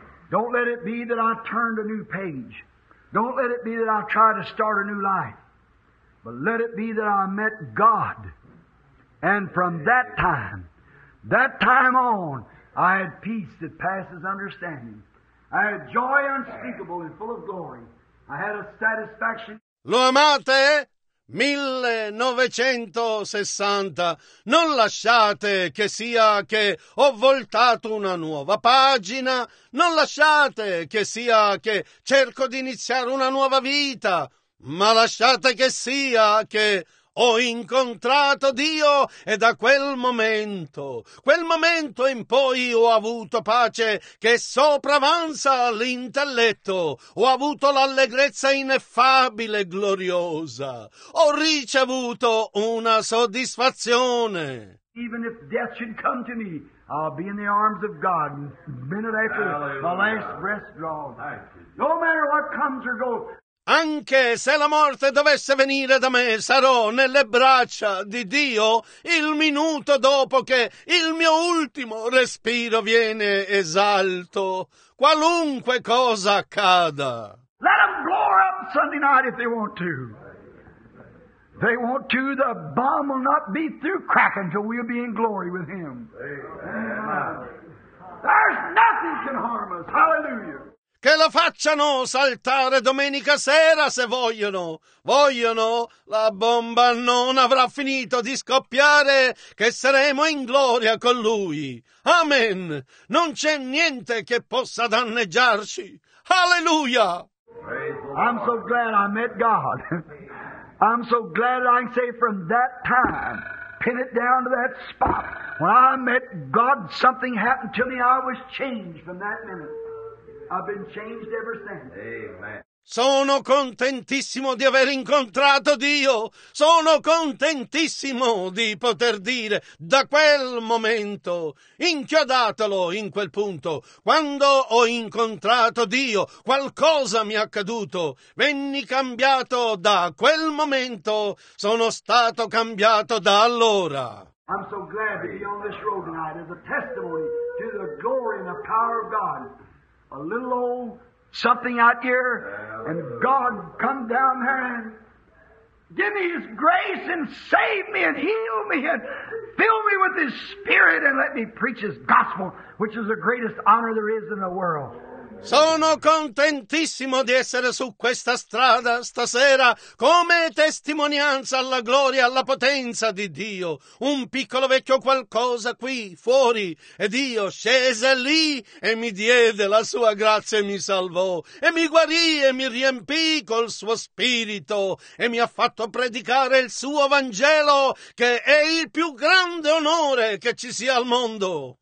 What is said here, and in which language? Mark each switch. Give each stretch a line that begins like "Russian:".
English: Don't let it be that I turned a new page. Don't let it be that I try to start a new life. But let it be that I met God. And from that time on, I had peace that passes understanding. I had joy unspeakable and full of glory. I had a satisfaction.
Italian: Lo amate? 1960, non lasciate che sia che ho voltato una nuova pagina, non lasciate che sia che cerco di iniziare una nuova vita, ma lasciate che sia che ho incontrato Dio e da quel momento in poi ho avuto pace che sopravanza l'intelletto, ho avuto l'allegrezza ineffabile e gloriosa, ho ricevuto una soddisfazione.
English: Even if death should come to me, I'll be in the arms of God minute after the last breath draws. No matter what comes or goes.
Italian: Anche se la morte dovesse venire da me, sarò nelle braccia di Dio il minuto dopo che il mio ultimo respiro viene esalto, qualunque cosa accada.
English: Let them blow up Sunday night if they want to. They want to, the bomb will not be through crack until we'll be in glory with him. There's nothing can harm us. Hallelujah.
Italian: Che la facciano saltare domenica sera se vogliono. Vogliono? La bomba non avrà finito di scoppiare, che saremo in gloria con lui. Amen. Non c'è niente che possa danneggiarci. Alleluia.
English: I'm so glad I met God. I'm so glad I can say from that time, pin it down to that spot. When I met God, something happened to me. I was changed from that minute. I've been changed ever since. Amen.
Italian: Sono contentissimo di aver incontrato Dio. Sono contentissimo di poter dire da quel momento, inchiodatelo in quel punto, quando ho incontrato Dio, qualcosa mi è accaduto. Venni cambiato da quel momento. Sono stato cambiato da allora.
English: I'm so glad to be on this road tonight as a testimony to the glory and the power of God. A little old something out here, and God come down there and give me His grace and save me and heal me and fill me with His Spirit and let me preach His gospel, which is the greatest honor there is in the world.
Italian: Sono contentissimo di essere su questa strada stasera come testimonianza alla gloria e alla potenza di Dio. Un piccolo vecchio qualcosa qui fuori e Dio scese lì e mi diede la sua grazia e mi salvò e mi guarì e mi riempì col suo spirito e mi ha fatto predicare il suo Vangelo, che è il più grande onore che ci sia al mondo.